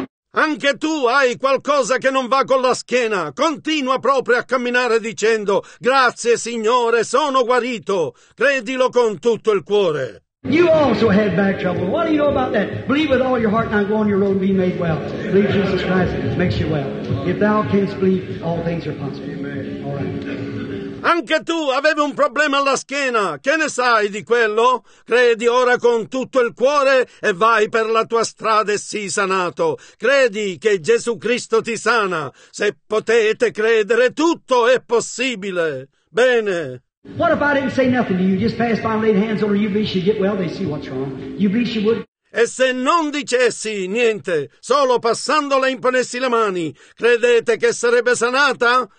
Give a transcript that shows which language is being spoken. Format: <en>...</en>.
<it>Anche tu hai qualcosa che non va con la schiena. Continua proprio a camminare dicendo grazie, Signore, sono guarito. Credilo con tutto il cuore.</it> <en>You also had back trouble. What do you know about that? Believe with all your heart, now go on your road and be made well. Believe Jesus Christ makes you well. If thou canst believe, all things are possible.</en> <it>Anche tu avevi un problema alla schiena, che ne sai di quello? Credi ora con tutto il cuore e vai per la tua strada e sii sanato. Credi che Gesù Cristo ti sana. Se potete credere, tutto è possibile. Bene.</it> <en>What if I didn't say nothing to you? Just pass by and lay hands on her. You believe she'd get well? They see what's wrong. You believe she would?</en> <it>E se non dicessi niente, solo passandole imponessi le mani, credete che sarebbe sanata?</it>